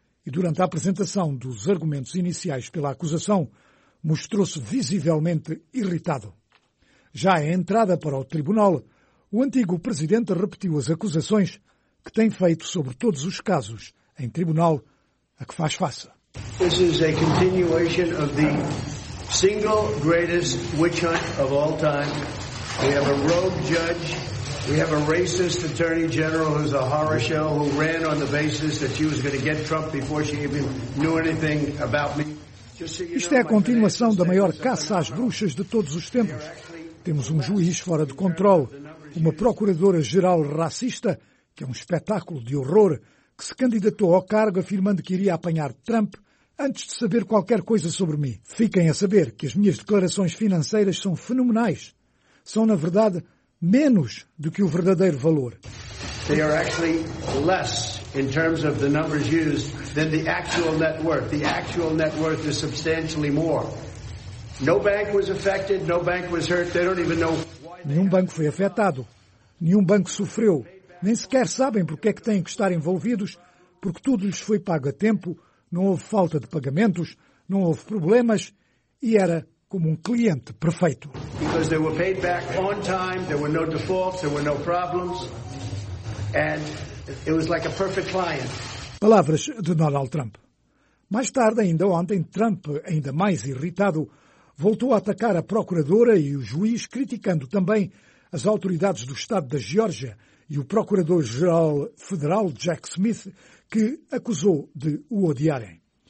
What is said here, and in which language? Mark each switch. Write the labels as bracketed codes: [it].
[pt] E durante a apresentação dos argumentos iniciais pela acusação, mostrou-se visivelmente irritado. Já à entrada para o tribunal, o antigo presidente repetiu as acusações que tem feito sobre todos os casos em tribunal a que faz face. [en] This is a continuation of the single greatest witch hunt of all time. We have a rogue judge. We have a racist attorney general who's a horror show who ran on the basis that she was going to get Trump before she even knew anything about me. [pt] Isto é a continuação da maior caça às bruxas de todos os tempos. Temos um juiz fora de controle, uma procuradora-geral racista, que é um espetáculo de horror, que se candidatou ao cargo afirmando que iria apanhar Trump antes de saber qualquer coisa sobre mim. Fiquem a saber que as minhas declarações financeiras são fenomenais. São, na verdade, menos do que o verdadeiro valor. [en] They are actually less in terms of the numbers used than the actual net worth. The actual net worth is substantially more. No bank was affected, no bank was hurt. They don't even know why. [pt] Nenhum banco foi afetado. Nenhum banco sofreu. Nem sequer sabem porque é que têm que estar envolvidos, porque tudo lhes foi pago a tempo, não houve falta de pagamentos, não houve problemas e era como um cliente perfeito. [en] Because they were paid back on time, there were no defaults, there were no problems, and it was like a perfect client. [pt] Palavras de Donald Trump. Mais tarde, ainda ontem, Trump, ainda mais irritado, voltou a atacar a procuradora e o juiz, criticando também as autoridades do Estado da Geórgia e o procurador-geral federal, Jack Smith, que acusou de o odiarem.